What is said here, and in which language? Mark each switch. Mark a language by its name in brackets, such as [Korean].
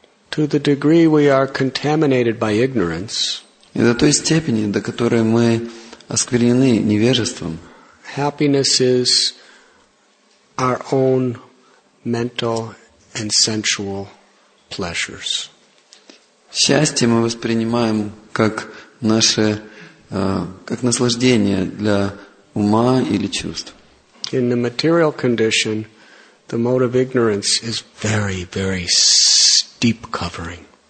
[English] To the degree we are contaminated by ignorance, [Russian] и до той степени, до которой мы осквернены невежеством, [English] happiness is our own mental and sensual pleasures. [Russian] Счастье мы воспринимаем как наше, как наслаждение для ума или чувств. [English] In the material condition, the mode of ignorance is very, very deep covering.